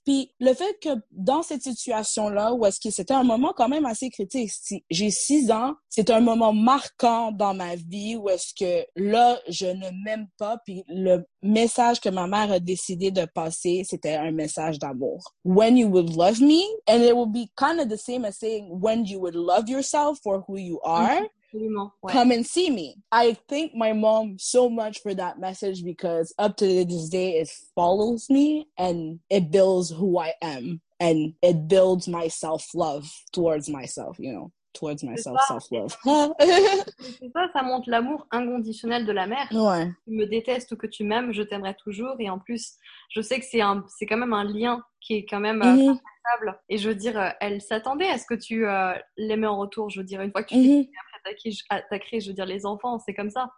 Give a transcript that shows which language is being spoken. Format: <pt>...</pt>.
<fr>Puis le fait que dans cette situation là, où est-ce que c'était un moment quand même assez critique, si j'ai 6 ans, c'est un moment marquant dans ma vie où est-ce que là, je ne m'aime pas, puis le message que ma mère a décidé de passer, c'était un message d'amour.</fr> <en>When you would love me, and it would be kind of the same as saying when you would love yourself for who you are,</en> <fr>ouais.</fr> <en>Come and see me. I thank my mom so much for that message because up to this day, it follows me and it builds who I am and it builds my self-love towards myself, you know. Towards myself, self-love.</en> <fr>C'est ça montre l'amour inconditionnel de la mère. Ouais. Tu me détestes ou que tu m'aimes, je t'aimerai toujours. Et en plus, je sais que c'est quand même un lien qui est quand même incroyable. Et je veux dire, elle s'attendait à ce que tu l'aimais en retour. Je veux dire, une fois que tu t'as créé, je veux dire, les enfants, c'est comme ça.</fr>